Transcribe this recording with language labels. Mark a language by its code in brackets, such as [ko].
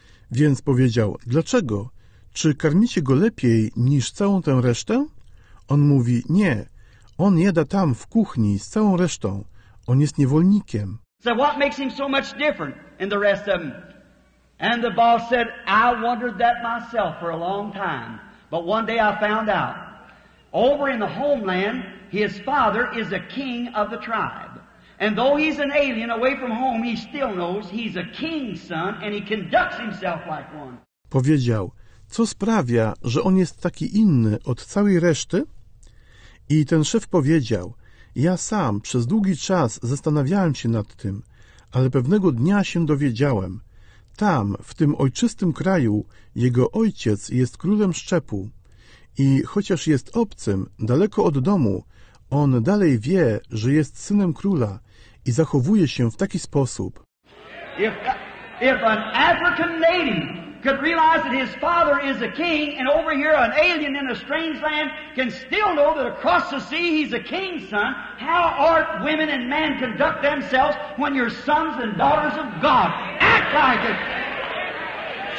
[pl] Więc powiedział, dlaczego? Czy karmicie go lepiej niż całą tę resztę? On mówi, nie, on jada tam w kuchni z całą resztą. On jest niewolnikiem. [en] So what makes him so much different than the rest of them? And the boss said, I wondered that myself for a long time. But one day I found out. Over in the homeland, his father is a king of the tribe. And though he's an alien away from home, he still knows he's a king's son and he conducts himself like one. [pl] Powiedział, co sprawia, że on jest taki inny od całej reszty? I ten szef powiedział, ja sam przez długi czas zastanawiałem się nad tym, ale pewnego dnia się dowiedziałem. Tam, w tym ojczystym kraju, jego ojciec jest królem szczepu. I chociaż jest obcym, daleko od domu, on dalej wie, że jest synem króla i zachowuje się w taki sposób. [en] If an African native could realize that his father is a king and over here an alien in a strange land can still know that across the sea he's a king's son, how are women and men conduct themselves when your sons and daughters of God act like it?